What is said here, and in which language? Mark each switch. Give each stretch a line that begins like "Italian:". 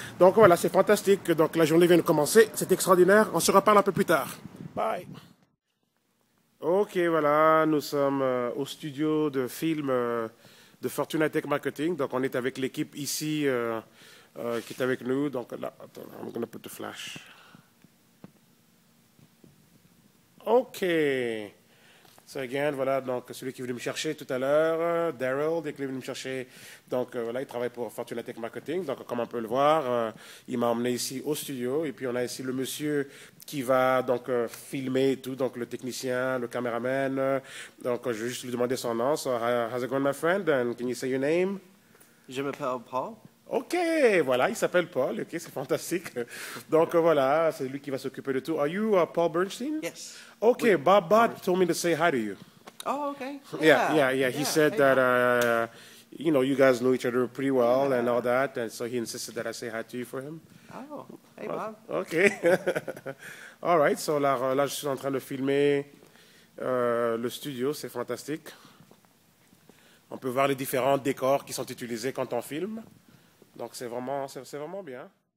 French: Donc, voilà, c'est fantastique. Donc, la journée vient de commencer. C'est extraordinaire. On se reparle un peu plus tard. Bye. Ok, voilà, nous sommes au studio de film de Fortune Tech Marketing. Donc, on est avec l'équipe ici qui est avec nous. Donc, là, attends,
English: I'm gonna put the flash.
French: Ok.
English: So again,
French: voilà, donc celui qui est venu me chercher tout à l'heure, Daryl, dès qu'il est venu me chercher, donc voilà, il travaille pour Fortune Tech Marketing, donc comme on peut le voir, il m'a emmené ici au studio, et puis on a ici le monsieur qui va donc filmer tout, donc le technicien, le caméraman, donc je vais juste lui demander son nom,
English: so how's it going my friend, and can you say your name?
French: Je m'appelle Paul. Ok, voilà, il s'appelle Paul, ok, c'est fantastique. Donc voilà, c'est lui qui va s'occuper de tout.
English: Are you Paul Bernstein? Yes.
French: Ok, oui.
English: Bob told me to say hi to you. Oh, ok. Yeah. He said that, you know, you guys know each other pretty well and all that, and so he insisted that I say hi to you for him. Oh, hey Bob. Ok. All right, so
French: là, je suis en train de filmer le studio, c'est fantastique. On peut voir les différents décors qui sont utilisés quand on filme. Donc c'est vraiment bien.